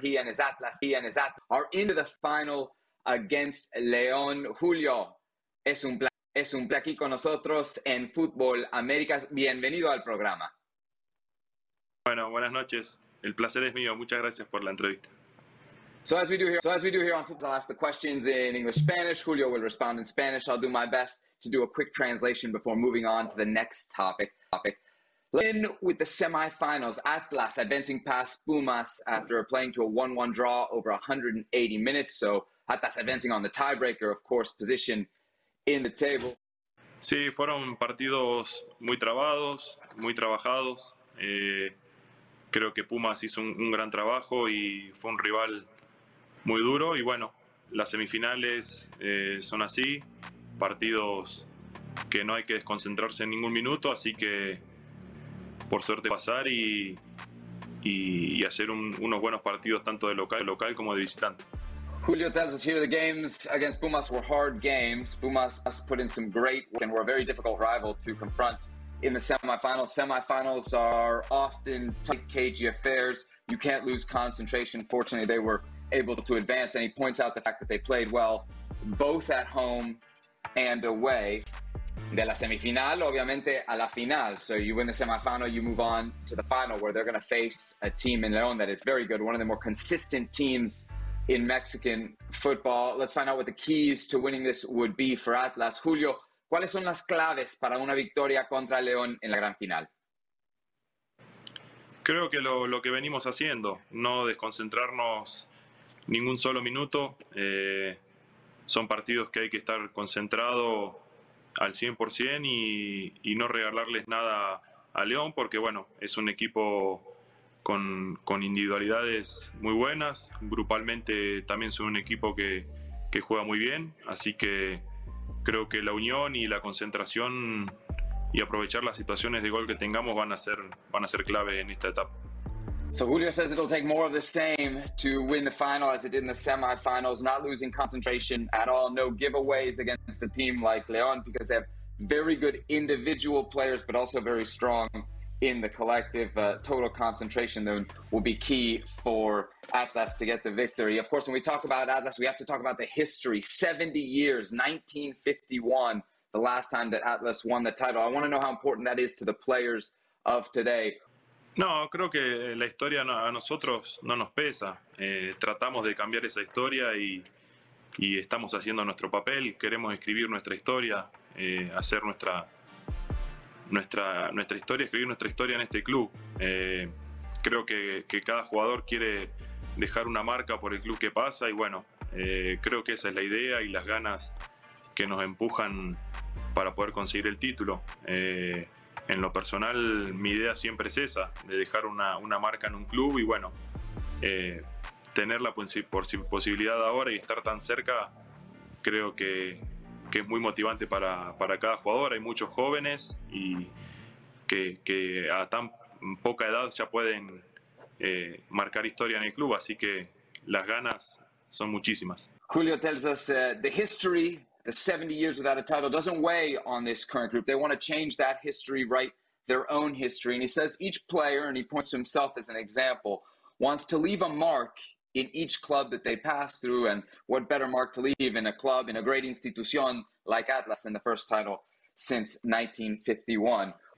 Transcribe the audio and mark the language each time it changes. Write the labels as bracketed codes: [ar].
[en] He and his Atlas are into the final against León. [es] Julio, es un placer aquí con nosotros en Futbol Americas. Bienvenido al programa. Bueno, buenas noches. El placer es mío. Muchas gracias por la entrevista. [en] So as we do here on Futbol, I'll ask the questions in English-Spanish. Julio will respond in Spanish. I'll do my best to do a quick translation before moving on to the next topic. Let's begin with the semifinals. Atlas advancing past Pumas after playing to a 1-1 draw over 180 minutes. So Atlas advancing on the tiebreaker, of course, position in the table. [es] Sí, fueron partidos muy trabados, muy trabajados. Creo que Pumas hizo un gran trabajo y fue un rival muy duro. Y bueno, las semifinales son así, partidos que no hay que desconcentrarse en ningún minuto. Así que, por suerte, pasar y hacer unos buenos partidos tanto de local como de visitante. [en] Julio tells us here the games against Pumas were hard games. Pumas put in some great work and were a very difficult rival to confront in the semifinals. Semifinals are often tight, cagey affairs. You can't lose concentration. Fortunately, they were able to advance. And he points out the fact that they played well both at home and away. de la semifinal, obviamente, a la final. So you win the semifinal, you move on to the final, where they're going to face a team in León that is very good, one of the more consistent teams in Mexican football. Let's find out what the keys to winning this would be for Atlas. [es] Julio, ¿cuáles son las claves para una victoria contra León en la gran final? Creo que lo que venimos haciendo, no desconcentrarnos ningún solo minuto. Son partidos que hay que estar concentrado al 100% y no regalarles nada a León, porque bueno, es un equipo con individualidades muy buenas, grupalmente también son un equipo que juega muy bien, así que creo que la unión y la concentración y aprovechar las situaciones de gol que tengamos van a ser claves en esta etapa. [en] So Julio says it'll take more of the same to win the final as it did in the semifinals, not losing concentration at all, no giveaways against a team like León because they have very good individual players but also very strong in the collective. Total concentration though will be key for Atlas to get the victory. Of course, when we talk about Atlas, we have to talk about the history. 70 years, 1951, the last time that Atlas won the title. I want to know how important that is to the players of today. [es] No, creo que la historia a nosotros no nos pesa. Tratamos de cambiar esa historia y estamos haciendo nuestro papel. Queremos escribir nuestra historia, hacer nuestra historia, escribir nuestra historia en este club. Creo que cada jugador quiere dejar una marca por el club que pasa y bueno, creo que esa es la idea y las ganas que nos empujan para poder conseguir el título. En lo personal, mi idea siempre es esa, de dejar una marca en un club y bueno, tener la posibilidad ahora y estar tan cerca, creo que es muy motivante para cada jugador. Hay muchos jóvenes y que a tan poca edad ya pueden marcar historia en el club, así que las ganas son muchísimas. [en] Julio tells us the history. The 70 years without a title doesn't weigh on this current group. They want to change that history, write their own history. And he says each player, and he points to himself as an example, wants to leave a mark in each club that they pass through. And what better mark to leave in a club, in a great institución like Atlas, than the first title since 1951.